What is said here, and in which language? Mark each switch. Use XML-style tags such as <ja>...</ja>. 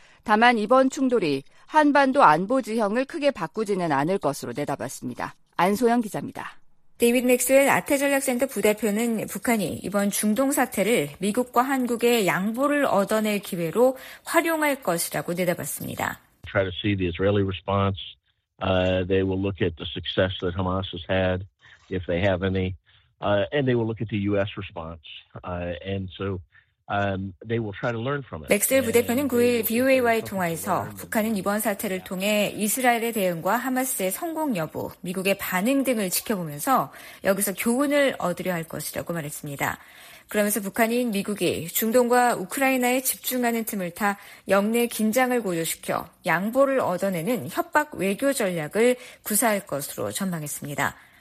<ko>다만 이번 충돌이 한반도 안보 지형을 크게 바꾸지는 않을 것으로 내다봤습니다. 안소영 기자입니다. 데이빗 맥스웰 아태전략센터 부대표는 북한이 이번 중동 사태를 미국과 한국의 양보를 얻어낼 기회로 활용할 것이라고 내다봤습니다.</ko> <en>Try to see the Israeli response. They will look at the success that Hamas has had, if they have any, and they will look at the U.S. response. And so.</en> <ko>맥스웰 부대표는 9일 VOA와의 통화에서 북한은 이번 사태를 통해 이스라엘의 대응과 하마스의 성공 여부, 미국의 반응 등을 지켜보면서 여기서 교훈을 얻으려 할 것이라고 말했습니다. 그러면서 북한인 미국이 중동과 우크라이나에 집중하는 틈을 타 영내 긴장을 고조시켜 양보를 얻어내는 협박 외교 전략을 구사할 것으로 전망했습니다.</ko>